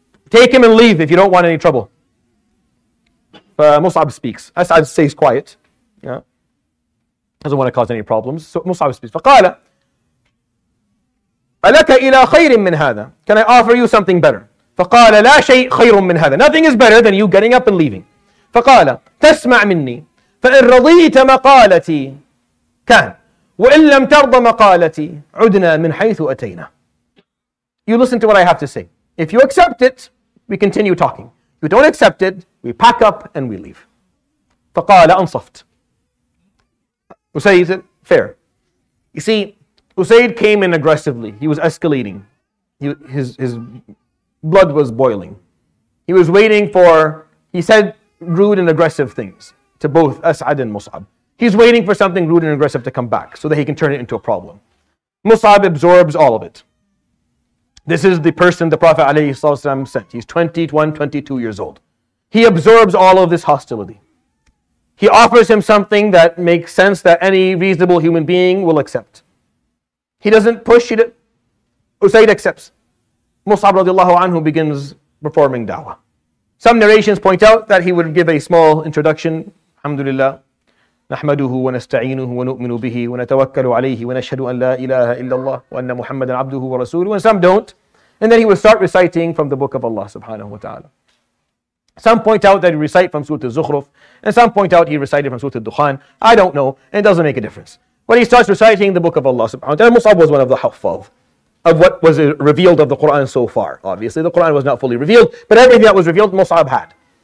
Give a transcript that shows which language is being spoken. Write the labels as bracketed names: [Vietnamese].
[English] Take him and leave if you don't want any trouble. But Mus'ab speaks. As'ad stays quiet. Yeah. Doesn't want to cause any problems. So Mus'ab speaks. [Arabic] فَقَالَ أَلَكَ إِلَى خَيْرٍ مِّنْ هَذَا. [English] Can I offer you something better? [Arabic] فقال لا شيء خير من هذا. [English] Nothing is better than you getting up and leaving. [Arabic] فقال تسمع مني فإن رضيت مقالتي كان وإن لم ترض مقالتي عدنا من حيث أتينا. [English] You listen to what I have to say. If you accept it, we continue talking. You don't accept it, we pack up and we leave. [Arabic] فقال أنصفت. [English] أسيد said, fair. You see, أسيد came in aggressively. He was escalating. His blood was boiling. He was waiting for, he said rude and aggressive things to both As'ad and Mus'ab. He's waiting for something rude and aggressive to come back so that he can turn it into a problem. Mus'ab absorbs all of it. This is the person the Prophet ﷺ sent. He's 21, 22 years old. He absorbs all of this hostility. He offers him something that makes sense that any reasonable human being will accept. He doesn't push it. Usayd accepts. Mus'ab radiallahu anhu begins performing da'wah. Some narrations point out that he would give a small introduction. Alhamdulillah. [Arabic] نحمده ونستعينه ونؤمن به ونتوكل عليه ونشهد أن لا إله إلا الله وأن محمد عبده ورسوله. [English] And some don't. And then he will start reciting from the book of Allah subhanahu wa ta'ala. Some point out that he recite from Surah Al-Zukhruf. And some point out he recited from Surah Al-Dukhan. I don't know. It doesn't make a difference. But he starts reciting the book of Allah subhanahu wa ta'ala. Mus'ab was one of the Huffaz of what was revealed of the Qur'an so far. Obviously the Qur'an was not fully revealed, but everything that was revealed Mus'ab had.